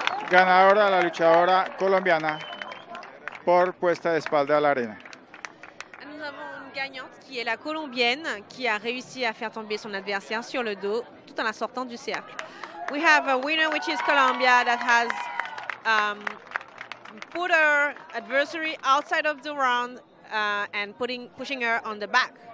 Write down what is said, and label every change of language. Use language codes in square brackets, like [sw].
[es] ganadora, la luchadora colombiana, por puesta de espalda a la arena. [fr] Nous avons une gagnante qui est la colombienne qui a réussi à faire tomber son adversaire sur le dos tout en la sortant du cercle. [en] We have a winner which is Colombia that has put her adversary outside of the round and pushing her on the back.